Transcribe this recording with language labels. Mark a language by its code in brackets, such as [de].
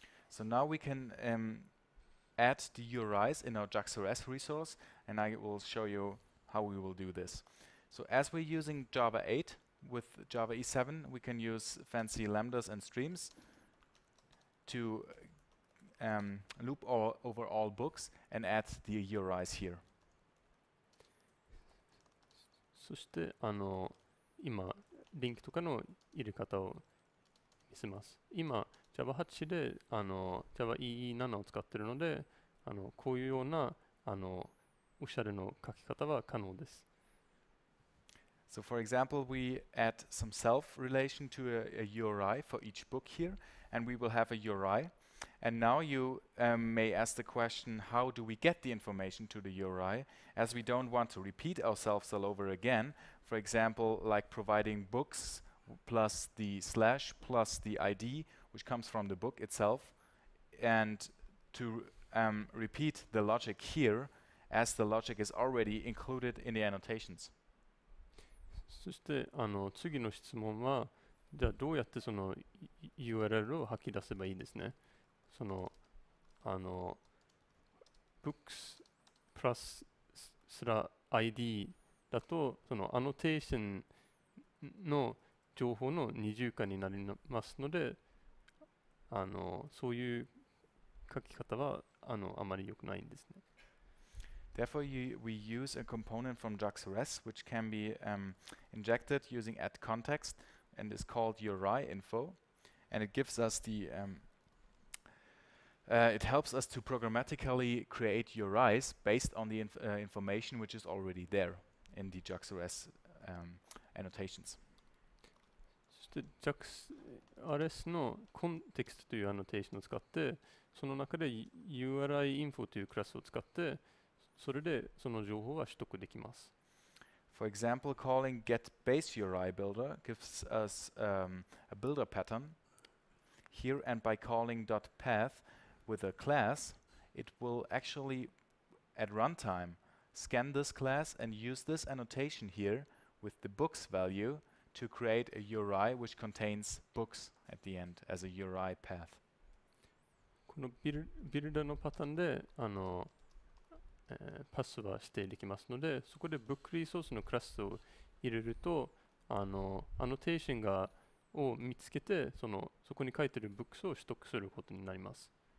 [en] So now we can add the URIs in our JAX-RS resource, and I will show you how we will do this. So as we're using Java 8,With Java E7, we can use fancy lambdas and streams to loop all over all books and add the URIs here. [ja] そしてあの今リンクとかの入れ方を見せます。今 Java 8であの Java E7 を使ってるので、あのこういうようなあのおしゃれの書き方は可能です。 [en] So for example, we add some self relation to a URI for each book here, and we will have a URI. And now you may ask the question, how do we get the information to the URI? As we don't want to repeat ourselves all over again, for example, like providing books plus the slash plus the ID, which comes from the book itself, and to repeat the logic here, as the logic is already included in the annotations. [ja] そしてあの次の質問は、じゃあどうやってその URL を吐き出せばいいんですね。その、あの、books プラスすら ID だと、そのアノテーションの情報の二重化になりますので、あの、そういう書き方は あまり良くないんですね。 [en] Therefore, we use a component from JAX-RS, which can be injected using add context, and is called URI info, and it gives us the it helps us to programmatically create URIs based on the information which is already there in the JAX-RS annotations. [ja] そして JAX-RS の context という annotation を使って、その中で URI info というクラスを使って。それでその情報は取得できます。 [en] For example, calling get base URI builder gives us a builder pattern here, and by calling dot path with a class, it will actually at runtime scan this class and use this annotation here with the books value to create a URI which contains books at the end as a URI path. [ja] このビルダーのパターンで、あのパスは指定できますので、そこでブックリソースのクラスを入れると、あのアノテーションがを見つけて、そのそこに書いてるブックスを取得することになります。